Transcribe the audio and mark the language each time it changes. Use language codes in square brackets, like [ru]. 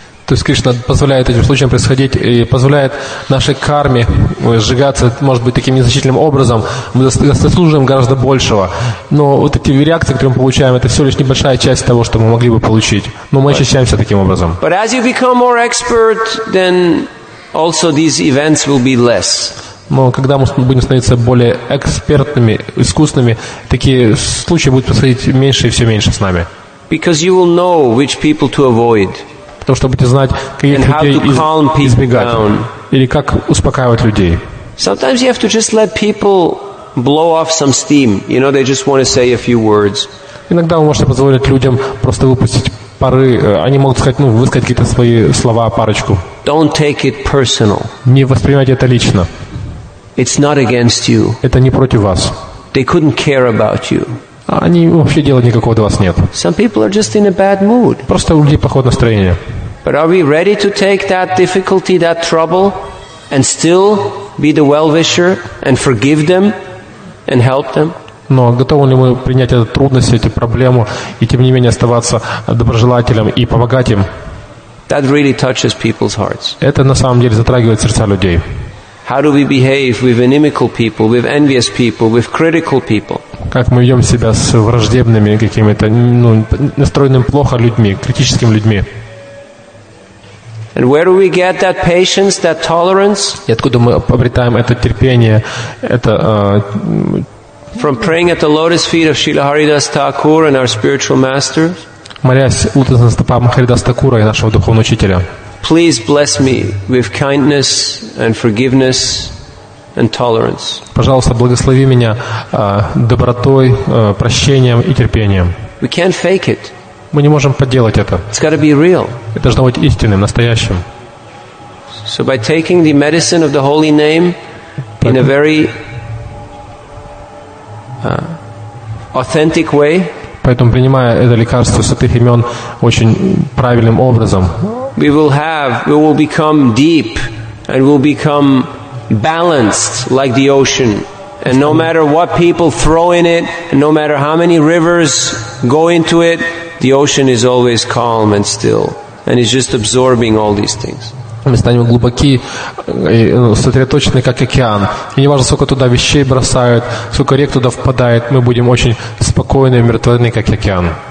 [ru] То есть Кришна позволяет этим случаям происходить и позволяет нашей карме сжигаться, может быть, таким незначительным образом. Мы заслуживаем гораздо большего. Но вот эти реакции, которые мы получаем, это всего лишь небольшая часть того, что мы могли бы получить. Но мы очищаемся таким образом. [en] But as you become more expert, then also these events will be less. [ru] Но когда мы будем становиться более экспертными, искусными, такие случаи будут происходить меньше и все меньше с нами. [en] Because you will know which people to avoid. [ru] Потому что будете знать, каких людей избегать. [en] Down. [ru] Или как успокаивать людей. [en] Sometimes you have to just let people blow off some steam. You know, they just want to say a few words. [ru] Иногда вы можете позволить людям просто выпустить пары. Они могут сказать, ну, высказать какие-то свои слова, парочку. [en] Don't take it personal. [ru] Не воспринимайте это лично. [en] It's not against you. [ru] Это не против вас. [en] They couldn't care about you. [ru] Они вообще дела никакого до вас нет. [en] Some people are just in a bad mood. [ru] Просто у людей плохое настроение. [en] But are we ready to take that difficulty, that trouble, and still be the well-wisher and forgive them and help them? [ru] Но готовы ли мы принять эту трудность, эту проблему, и тем не менее оставаться доброжелателем и помогать им? [en] That really touches people's hearts. [ru] Это на самом деле затрагивает сердца людей. [en] How do we behave with inimical people, with envious people, with critical people? [ru] Как мы ведем себя с враждебными какими-то, ну, настроенными плохо людьми, критическими людьми? [en] And where do we get that patience, that tolerance? [ru] И откуда мы обретаем это терпение, это? [en] From praying at the lotus feet of Srila Haridas Thakur and our spiritual master. [ru] Молясь у лотосных стоп Харидаса Такура и нашего духовного учителя. [en] Please bless me with kindness and forgiveness and tolerance. [ru] Пожалуйста, благослови меня добротой, прощением и терпением. [en] We can't fake it. [ru] Мы не можем подделать это. [en] It's got to be real. [ru] Это должно быть истинным, настоящим. [en] So by taking the medicine of the holy name in a very authentic way. [ru] Поэтому принимая это лекарство святых имен очень правильным образом. [en] We will have, we will become deep and we'll become balanced like the ocean. And no matter what people throw in it, and no matter how many rivers go into it, the ocean is always calm and still. And it's just absorbing all these things. [ru] Мы станем глубоки и сосредоточены, как океан. И не важно, сколько туда вещей бросают, сколько рек туда впадает, мы будем очень спокойны и умиротворены, как океан.